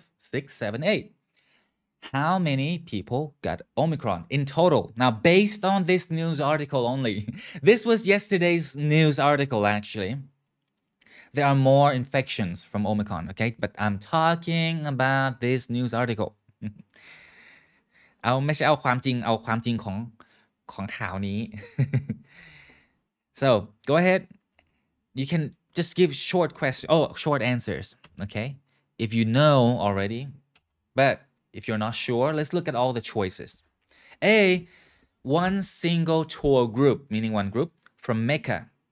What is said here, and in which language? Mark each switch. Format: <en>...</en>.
<en>1, 2, 3, 4, 5, 6, 7, 8. How many people got Omicron in total? Now, based on this news article only, this was yesterday's news article, actually. There are more infections from Omicron, okay? But I'm talking about this news article.</en> <th>เอาไม่ใช่เอาความจริงของข่าวนี้.</th> <en>So, go ahead. You can just give short questions. Oh, short answers, okay? If you know already. But if you're not sure, let's look at all the choices. A, one single tour group, meaning one group, from Mecca.</en>